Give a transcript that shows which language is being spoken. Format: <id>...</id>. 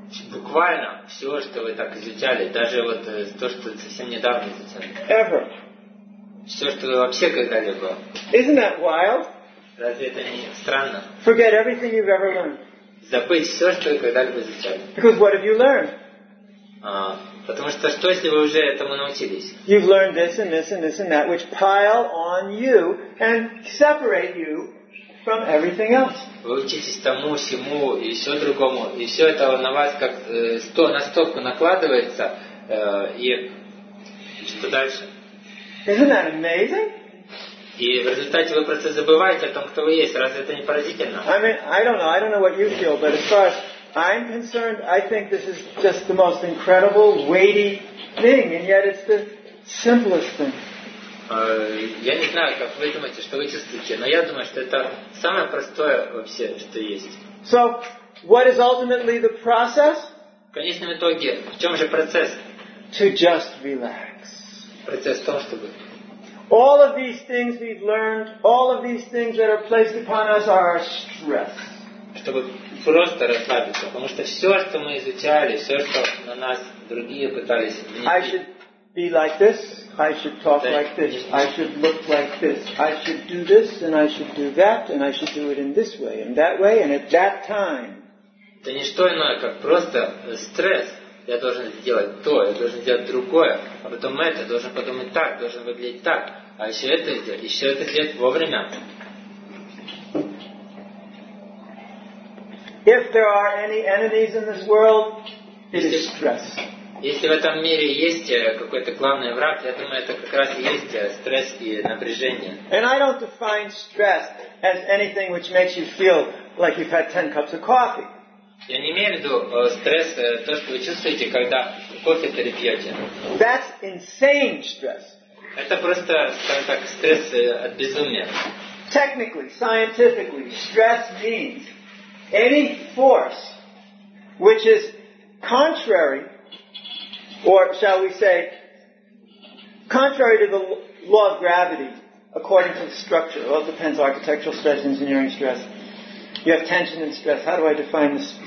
<ru>Буквально все, что вы так изучали, даже вот то, что совсем недавно изучали.</ru> <en>Ever.</en> <ru>Все, что вы вообще когда-либо.</ru> <en>Isn't that wild?</en> <ru>Разве это не странно?</ru> <en>Forget everything you've ever learned.</en> <ru>Забыть все, что вы когда-либо изучали.</ru> <en>Because what have you learned?</en> <ru>Потому что что, если вы уже этому научились?</ru> <en>You've learned this and this and this and that, which pile on you and separate you from everything else.</en> <ru>Вы учитесь тому, всему и все другому, и все это на вас как сто на стопку накладывается, и что дальше?</ru> <en>Isn't that amazing?</en> <ru>И в результате вы просто забываете о том, кто вы есть. Разве это не поразительно?</ru> <en>I mean, I don't know what you feel, but as far as I'm concerned, I think this is just the most incredible, weighty thing, and yet it's the simplest thing.</en> <ru>Я не знаю, как вы думаете, что вы чувствуете, но я думаю, что это самое простое вообще, что есть.</ru> <en>So, what is ultimately the process?</en> <ru>В конечном итоге, в чем же процесс?</ru> <en>To just relax.</en> <ru>Процесс в том, чтобы...</ru> <en>All of these things we've learned, all of these things that are placed upon us are our stress.</en> <ru>Чтобы просто расслабиться, потому что все, что мы изучали, все, что на нас другие пытались внести.</ru> <en>I should be like this, I should talk like this, I should look like this, I should do this, and I should do that, and I should do it in this way, and that way, and at that time.</en> <ru>Это не что иное, как просто стресс. я должен сделать то, я должен сделать другое, а потом это, должен подумать так, должен выглядеть так, а еще это сделать, еще это сделать вовремя.</ru> <en>If there are any enemies in this world, it is stress.</en> <ru>Если в этом мире есть какой-то главный враг, я думаю, это как раз и есть стресс и напряжение.</ru> <en>And I don't define stress as anything which makes you feel like you've had 10 cups of coffee.</en> <ru>Я не имею в виду стресс, то, что вы чувствуете, когда кофе перепьете.</ru> <en>That's insane stress.</en> <ru>Это просто, скажем так, стресс от безумия.</ru> <en>Technically, scientifically, stress means any force which is contrary, or shall we say, contrary to the law of gravity, according to the structure. Well, it depends, architectural stress, engineering stress. You have tension and stress. How do I define this?</en>